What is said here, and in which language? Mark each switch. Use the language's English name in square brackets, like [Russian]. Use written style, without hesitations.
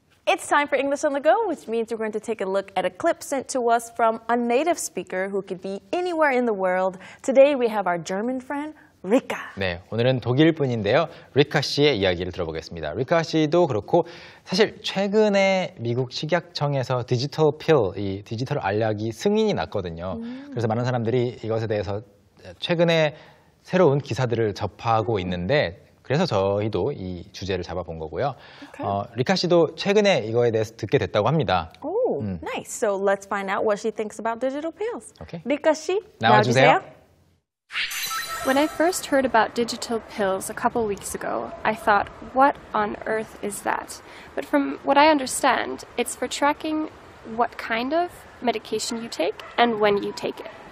[English] It's time for English on the Go, which means we're going to take a look at a clip sent to us from a native speaker who could be anywhere in the world. Today we have our German friend, Rika. [Korean] 네, 오늘은 독일 분인데요. 리카 씨의 이야기를 들어보겠습니다. 리카 씨도 그렇고 사실 최근에 미국 식약청에서 디지털 필, 이 디지털 알약이 승인이 났거든요. 그래서 많은 사람들이 이것에 대해서 최근에 새로운 기사들을 접하고 있는데 그래서 저희도 이 주제를 잡아본 거고요. [English] Okay. 어, [Korean] 리카 씨도 최근에 이거에 대해서 듣게 됐다고 합니다. [English] Oh, nice. So let's find out what she thinks about digital pills. Okay. [Korean] 리카 씨, 나와주세요. [English] When I first heard about digital pills a couple weeks ago, I thought, what on earth is that? But from what I understand, it's for tracking what kind of medication you take and when you take it.